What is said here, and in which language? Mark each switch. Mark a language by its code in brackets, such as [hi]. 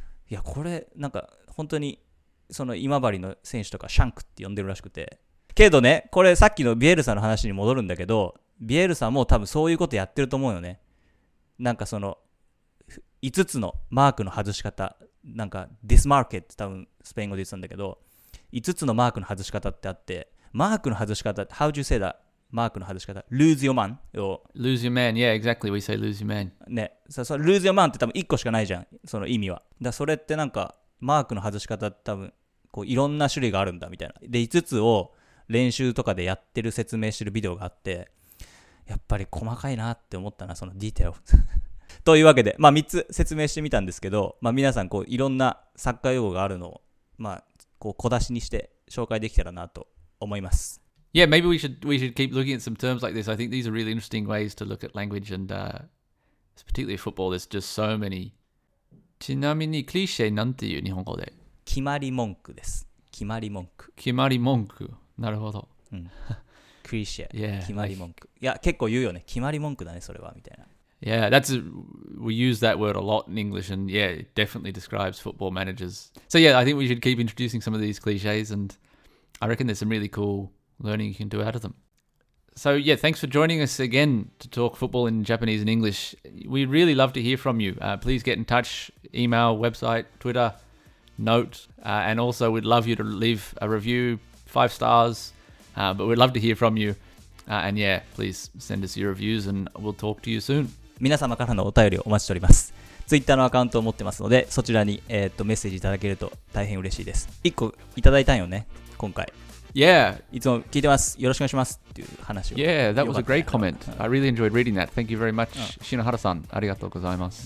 [ja] いやこれなんか本当にその今治の選手とかシャンクって呼んでるらしくて、けどね、これさっきのビエルサの話に戻るんだけど、ビエルサも多分そういうことやってると思うよね、なんかその5つのマークの外し方、なんかディスマーケって多分スペイン語で言ってたんだけど、5つのマークの外し方ってあって、マークの外し方、 [en] How do you say that? [ja] マークの外し方、 [en] Lose your man [ja] を、 [en] Lose your man, yeah, exactly, we say lose your man [ja] ね、そ [en] Lose your man [ja] って多分1個しかないじゃん、その意味は。だそれってなんかマークの外し方って多分こういろんな種類があるんだみたいな、で5つを練習とかでやってる説明してるビデオがあって、やっぱり細かいなって思ったな、そのディテール。というわけで、まあ、3つ説明してみたんですけど、まあ、皆さんこういろんなサッカー用語があるのを、まあ、こう小出しにして紹介できたらなと思います。 [en] Yeah, maybe we should keep looking at some terms like this. I think these are really interesting ways to look at language and particularly football. There's just so many. [ja] ちなみにクリシェなんていう日本語で決まり文句です。決まり文句。決まり文句、なるほど、うん、クリシェ、決まり文句、いや結構言うよね、決まり文句だねそれはみたいな。 [en] Yeah, that's we use that word a lot in English, and yeah, it definitely describes football managers. So yeah, I think we should keep introducing some of these cliches, and I reckon there's some really cool learning you can do out of them. So yeah, thanks for joining us again to talk football in Japanese and English. We really love to hear from you. Please get in touch, email, website, Twitter, note, and also we'd love you to leave a review, 5 stars, but we'd love to hear from you. And yeah, please send us your reviews and we'll talk to you soon. [ja] 皆様からのお便りをお待ちしております。Twitter のアカウントを持ってますので、そちらに、メッセージいただけると大変嬉しいです。 1個いただいたんよね、今回。 [en] Yeah. [ja] いつも聞いてます、よろしくお願いしますっていう話を。 [en] Yeah, that was a great comment. I really enjoyed reading that. Thank you very much. [ja] 篠原さん、ありがとうございます。